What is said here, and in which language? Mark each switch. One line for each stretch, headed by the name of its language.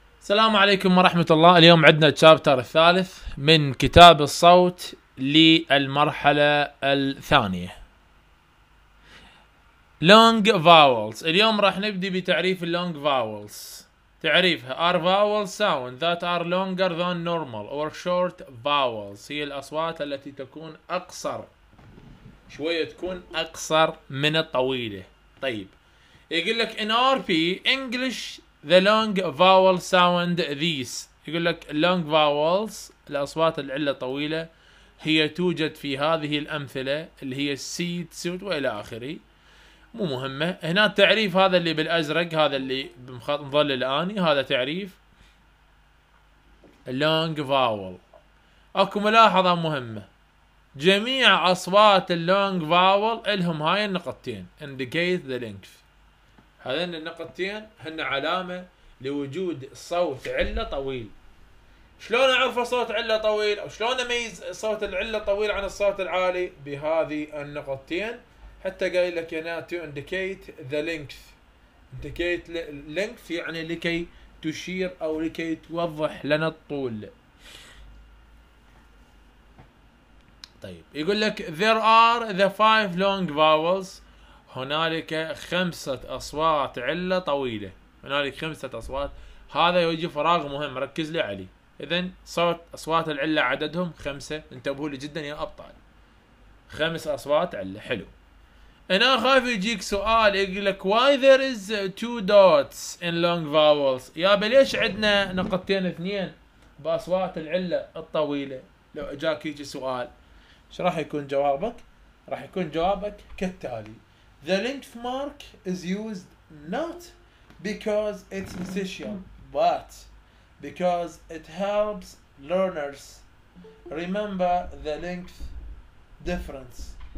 Arabic: السلام عليكم ورحمة الله. اليوم عندنا تشابتر الثالث من كتاب الصوت للمرحلة الثانية Long Vowels. اليوم راح نبدي بتعريف Long Vowels. تعريفها:
English: Are vowel sound that are longer than normal or short vowels.
Arabic: هي الأصوات التي تكون أقصر شوية، تكون أقصر من الطويلة. طيب يقول لك
English: In RP English The long vowel sound these.
Arabic: يقول لك long vowels، الأصوات العلة طويلة، هي توجد في هذه الأمثلة اللي هي seed suit وإلى آخره. مو مهمة. هنا التعريف هذا اللي بالأزرق، هذا اللي بنظل الآن، هذا تعريف long vowel. أكو ملاحظة مهمة: جميع أصوات long vowel لهم هاي النقطتين
English: indicate the length.
Arabic: هذين النقطتين هن علامة لوجود صوت علة طويل. شلون أعرف صوت علة طويل، أو شلون أميز صوت العلة طويل عن الصوت العالي؟ بهذه النقطتين. حتى قال لك هنا
English: to indicate the length. indicate length
Arabic: يعني لكي تشير أو لكي توضح لنا الطول. طيب يقول لك
English: there are the five long vowels.
Arabic: هناك خمسة أصوات علة طويلة. هناك خمسة أصوات. هذا يجي فراغ مهم، ركز لي علي. إذن صوت أصوات العلة عددهم خمسة، انتبهوا لي جدا يا أبطال. خمس أصوات علة، حلو. أنا خايف يجيك سؤال يقول لك
English: Why there is two dots in long vowels؟
Arabic: يا بليش عندنا نقطتين اثنين بأصوات العلة الطويلة؟ لو أجاك يجي سؤال، إيش راح يكون جوابك؟ راح يكون جوابك كالتالي:
English: The length mark is used not because it's essential, but because it helps learners remember the length difference.